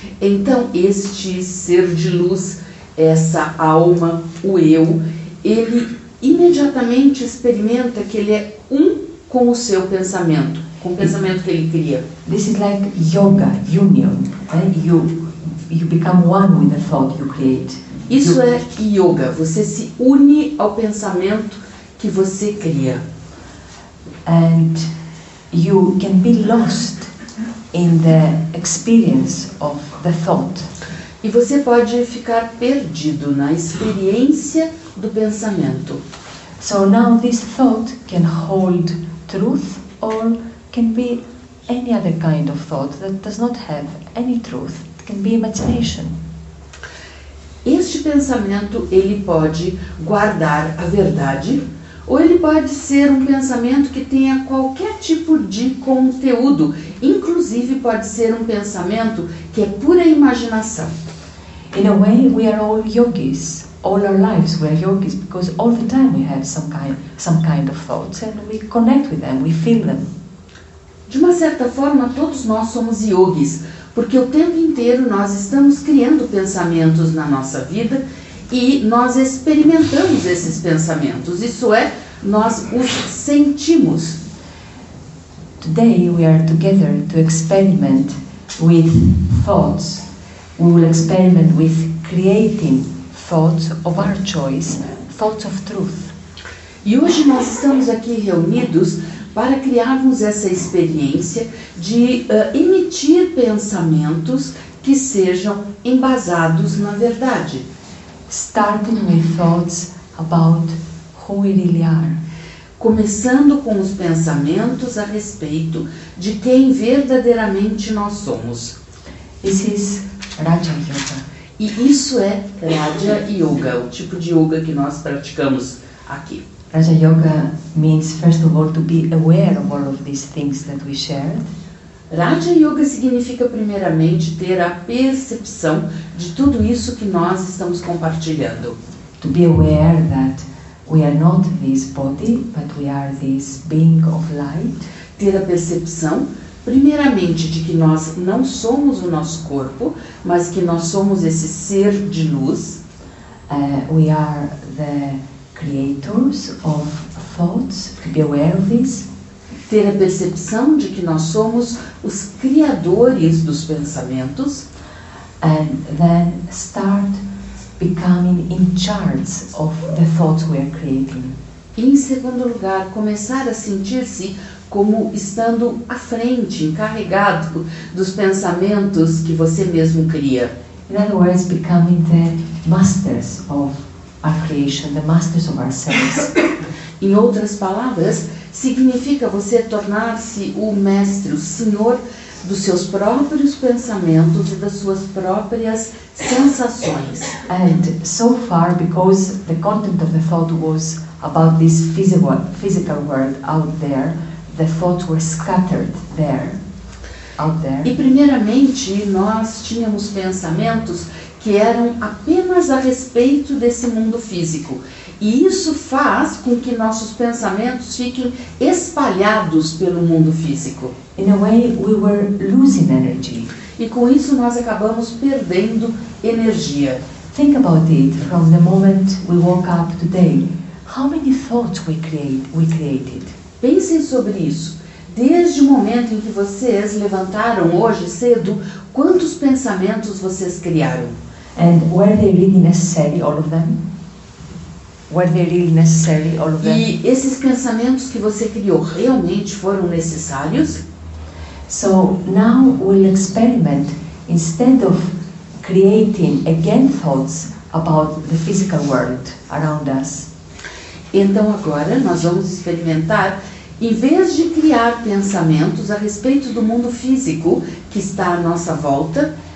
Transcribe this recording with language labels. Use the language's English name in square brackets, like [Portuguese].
[Portuguese] Então este ser de luz, essa alma, o eu, ele imediatamente experimenta que ele é com o seu pensamento, com o pensamento que ele cria. [English] This is like yoga, union, right? You become one with the thought you create. [Portuguese] Isso é yoga, você se une ao pensamento que você cria. [English] And you can be lost in the experience of the thought. [Portuguese] E você pode ficar perdido na experiência do pensamento. [English] So now this thought can hold truth or can be any other kind of thought that does not have any truth. It can be imagination. [Portuguese] Este pensamento, ele pode guardar a verdade ou ele pode ser um pensamento que tenha qualquer tipo de conteúdo. Inclusive, pode ser um pensamento que é pura imaginação. [English] In a way, we are all yogis. All our lives we are yogis because all the time we have some kind of thoughts and we connect with them, we feel them. [Portuguese] De uma certa forma, todos nós somos yogis, porque o tempo inteiro nós estamos criando pensamentos na nossa vida e nós experimentamos esses pensamentos, isso é, nós os sentimos. [English] Today we are together to experiment with thoughts. We will experiment with creating thoughts of our choice, thoughts of truth. [Portuguese] E hoje nós estamos aqui reunidos para criarmos essa experiência de emitir pensamentos que sejam embasados na verdade. [English] Starting with thoughts about who we really are. [Portuguese] Começando com os pensamentos a respeito de quem verdadeiramente nós somos. [English] This is Raja Yoga. [Portuguese] E isso é Raja Yoga, o tipo de yoga que nós praticamos aqui. [English] Raja Yoga means, first of all, to be aware of all of these things that we share. [Portuguese] Raja Yoga significa, primeiramente, ter a percepção de tudo isso que nós estamos compartilhando. [English] To be aware that we are not this body, but we are this being of light. [Portuguese] Ter a percepção, primeiramente, de que nós não somos o nosso corpo, mas que nós somos esse ser de luz. [English] We are the creators of thoughts, to be aware of this. [Portuguese] Ter a percepção de que nós somos os criadores dos pensamentos. [English] And then start becoming in charge of the thoughts we are creating. [Portuguese] Em segundo lugar, começar a sentir-se como estando à frente, encarregado dos pensamentos que você mesmo cria. [English] In other words, becoming the masters of our creation, the masters of ourselves. [Portuguese] Em outras palavras, significa você tornar-se o mestre, o senhor dos seus próprios pensamentos e das suas próprias sensações. [English] And so far, because the content of the thought was about this physical world out there, the thoughts were scattered there, out there. [Portuguese] E primeiramente nós tínhamos pensamentos que eram apenas a respeito desse mundo físico. E isso faz com que nossos pensamentos fiquem espalhados pelo mundo físico. [English] In a way, we were losing energy. [Portuguese] E com isso nós acabamos perdendo energia. [English] Think about it from the moment we woke up today. How many thoughts we created? [Portuguese] Pensem sobre isso. Desde o momento em que vocês levantaram hoje cedo, quantos pensamentos vocês criaram? [English] And were they really necessary, all of them? Were they really necessary, all of them? [Portuguese] E esses pensamentos que você criou realmente foram necessários? [English] So now we'll experiment, instead of creating again thoughts about the physical world around us. [Portuguese] Então agora nós vamos experimentar, em vez de criar pensamentos a respeito do mundo físico que está à nossa volta,